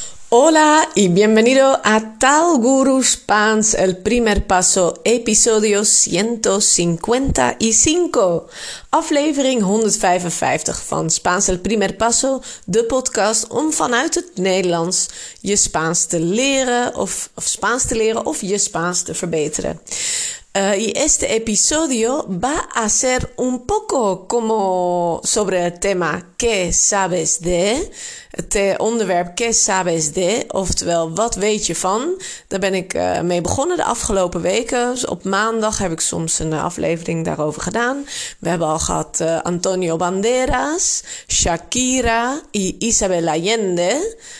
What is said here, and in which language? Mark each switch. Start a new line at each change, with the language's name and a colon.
Spanish: Hola y bienvenido a Tal Gurus Pants, el primer paso, episodio 155.
Dutch: Aflevering 155 van Spaans el primer paso, de podcast om vanuit het Nederlands je Spaans te leren of je Spaans te verbeteren.
Spanish: Y este episodio va a ser un poco como sobre el tema ¿qué sabes de?
Dutch: Het onderwerp
Spanish: ¿qué sabes de?
Dutch: Oftewel, wat weet je van? Daar ben ik mee begonnen de afgelopen weken. Dus op maandag heb ik soms een aflevering daarover gedaan. We hebben al gehad Antonio Banderas, Shakira y Isabel Allende.